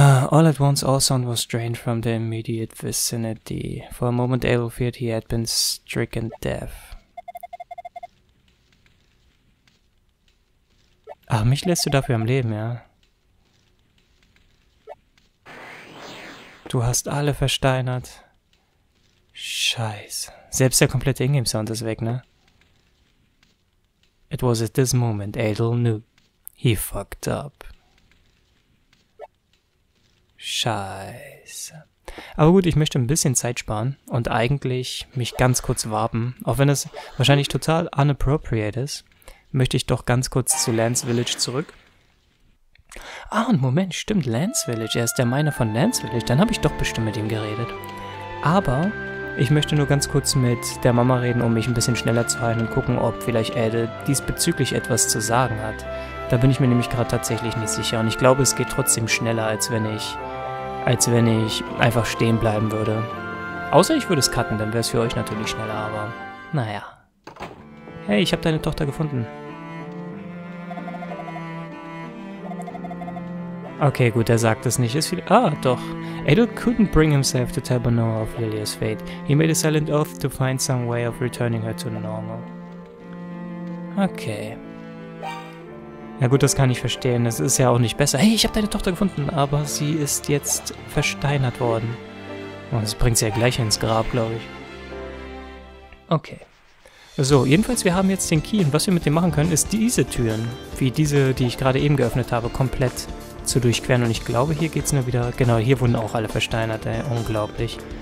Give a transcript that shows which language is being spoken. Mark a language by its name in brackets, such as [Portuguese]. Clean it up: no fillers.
[English] All at once, all sound was drained from the immediate vicinity. For a moment, Abel feared he had been stricken deaf. [German] Ach, mich lässt du dafür am Leben, ja? Du hast alle versteinert. Scheiß. Selbst der komplette Ingame-Sound ist weg, ne? [English] It was at this moment Adel knew. He fucked up. [German] Scheiß. Aber gut, ich möchte ein bisschen Zeit sparen und eigentlich mich ganz kurz warpen. Auch wenn es wahrscheinlich total unappropriate ist, möchte ich doch ganz kurz zu Lance Village zurück. Ah, und Moment, stimmt, Lance Village, er ist der Miner von Lance Village, dann habe ich doch bestimmt mit ihm geredet. Aber ich möchte nur ganz kurz mit der Mama reden, um mich ein bisschen schneller zu heilen und gucken, ob vielleicht Adel diesbezüglich etwas zu sagen hat. Da bin ich mir nämlich gerade tatsächlich nicht sicher und ich glaube, es geht trotzdem schneller, als wenn ich einfach stehen bleiben würde. Außer ich würde es cutten, dann wäre es für euch natürlich schneller, aber naja. Hey, ich habe deine Tochter gefunden. Okay, gut, er sagt es nicht. Ist viel. Ah, doch. [English] Adel couldn't bring himself to tell Benoa of Lilia's fate. He made a silent oath to find some way of returning her to normal. [German] Okay. Na gut, das kann ich verstehen. Das ist ja auch nicht besser. Hey, ich habe deine Tochter gefunden, aber sie ist jetzt versteinert worden. Und das bringt sie ja gleich ins Grab, glaube ich. Okay. So, jedenfalls, wir haben jetzt den Key und was wir mit dem machen können, ist diese Türen, wie diese, die ich gerade eben geöffnet habe, komplett zu durchqueren und ich glaube, hier geht's nur wieder, genau, hier wurden auch alle versteinert, ey, unglaublich.